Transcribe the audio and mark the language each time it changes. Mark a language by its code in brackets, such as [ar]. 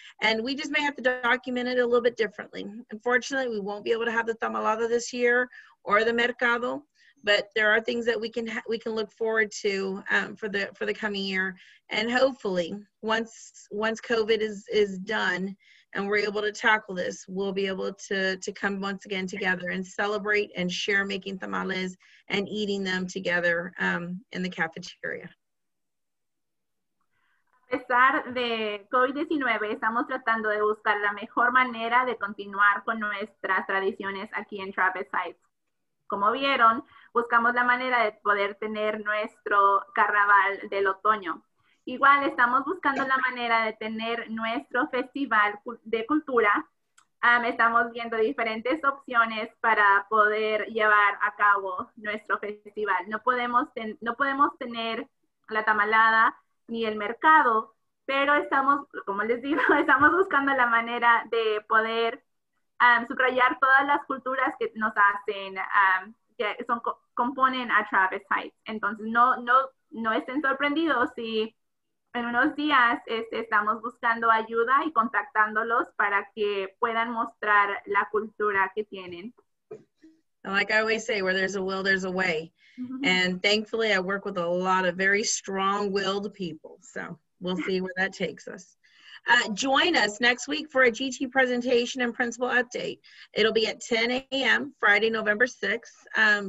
[en] And we just may have to document it a little bit differently. Unfortunately, we won't be able to have the tamalada this year or the mercado, but there are things that we can look forward to for the coming year. And hopefully, once COVID is done and we're able to tackle this, we'll be able to come once again together and celebrate and share making tamales and eating them together in the cafeteria. [es] A pesar de COVID-19, estamos tratando de buscar la mejor manera de continuar con nuestras tradiciones aquí en Travis Heights. Como vieron, buscamos la manera de poder tener nuestro carnaval del otoño. Igual estamos buscando la manera de tener nuestro festival de cultura. Estamos viendo diferentes opciones para poder llevar a cabo nuestro festival. No podemos tener la tamalada ni el mercado, pero estamos, como les digo, estamos buscando la manera de poder subrayar todas las culturas que nos hacen, que son, componen a Travis Heights. Entonces, no estén sorprendidos si en unos días estamos buscando ayuda y contactándolos para que puedan mostrar la cultura que tienen. [en] Like I always say, where there's a will, there's a way. And thankfully, I work with a lot of very strong-willed people. So we'll see where that takes us. Join us next week for a GT presentation and principal update. It'll be at 10 a.m. Friday, November 6th.